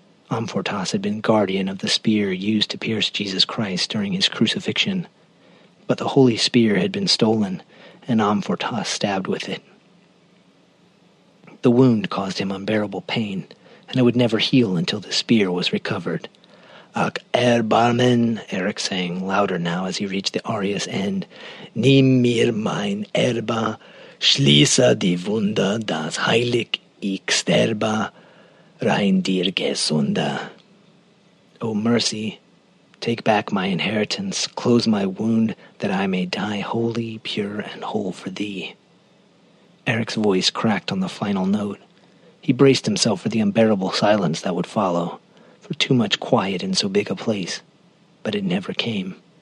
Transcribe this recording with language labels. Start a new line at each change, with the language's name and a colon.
English: Amfortas had been guardian of the spear used to pierce Jesus Christ during his crucifixion, but the holy spear had been stolen, and Amfortas stabbed with it. The wound caused him unbearable pain, and it would never heal until the spear was recovered.
German: Ak Erbarmen,
English: Eric sang louder now as he reached the aria's end.
German: Nimm mir mein Erbe, schließe die Wunde, das heilig ich sterbe, rein dir gesunde.
English: O mercy, take back my inheritance, close my wound, that I may die holy, pure, and whole for thee. Eric's voice cracked on the final note. He braced himself for the unbearable silence that would follow. Too much quiet in so big a place, but it never came.